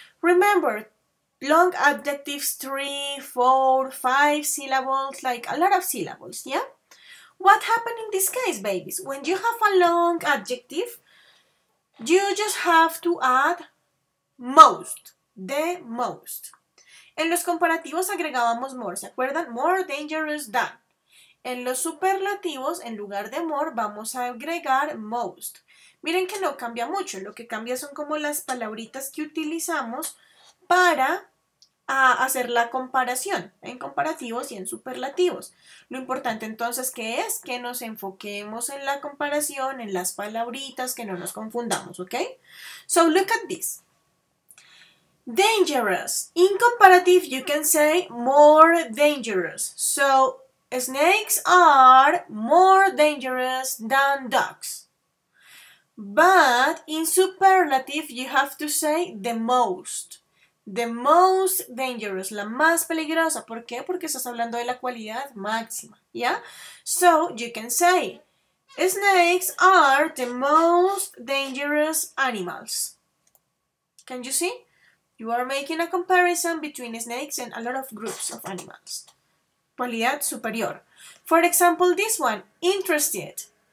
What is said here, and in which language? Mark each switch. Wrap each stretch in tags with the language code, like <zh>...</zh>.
<en>Remember, long adjectives, 3, 4, 5 syllables, like a lot of syllables, yeah? What happened in this case, babies? When you have a long adjective, you just have to add most, the most.</en> <es>En los comparativos agregábamos more, ¿se acuerdan?</es> <en>More dangerous than.</en> <es>En los superlativos, en lugar de more, vamos a agregar most. Miren que no cambia mucho, lo que cambia son como las palabritas que utilizamos para hacer la comparación en comparativos y en superlativos. Lo importante entonces que es que nos enfoquemos en la comparación, en las palabritas, que no nos confundamos, ¿ok?</es> <en>So look at this. Dangerous. In comparative, you can say more dangerous. So, snakes are more dangerous than dogs. But in superlative, you have to say the most. The most dangerous,</en> <es>la más peligrosa. ¿Por qué? Porque estás hablando de la cualidad máxima, ¿ya?</es> <en>So, you can say, snakes are the most dangerous animals. Can you see? You are making a comparison between snakes and a lot of groups of animals.</en> <es>Cualidad superior.</es> <en>For example, this one, interested.</en>